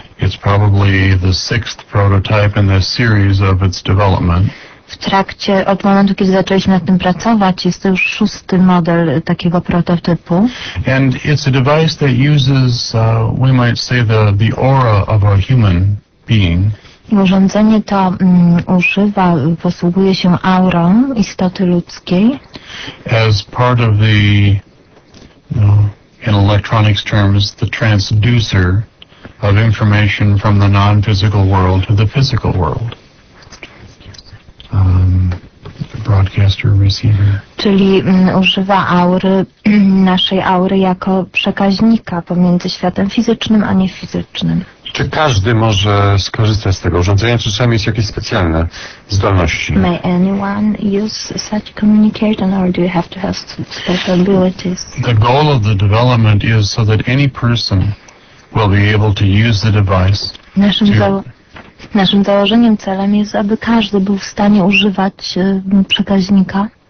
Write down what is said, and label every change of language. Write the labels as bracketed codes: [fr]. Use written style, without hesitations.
[en] It's probably the sixth prototype in the series of its development. [pl] W trakcie, od momentu, kiedy zaczęliśmy nad tym pracować, jest to już szósty model takiego prototypu. [en] And it's a device that uses, we might say, the aura of a human being. [pl] Urządzenie to posługuje się aurą istoty ludzkiej. [en] As part of the, in electronics terms, the transducer of information from the non-physical world to the physical world. Broadcaster receiver. [pl] Czyli używa aury, naszej aury, jako przekaźnika pomiędzy światem fizycznym a niefizycznym. Czy każdy może skorzystać z tego urządzenia, czy czasami jest jakieś specjalne zdolności? [en] May anyone use such communication, or do you have to have special abilities? The goal of the development is so that any person will be able to use the device. [pl] Naszym założeniem, celem jest, aby każdy był w stanie używać przekaźnika.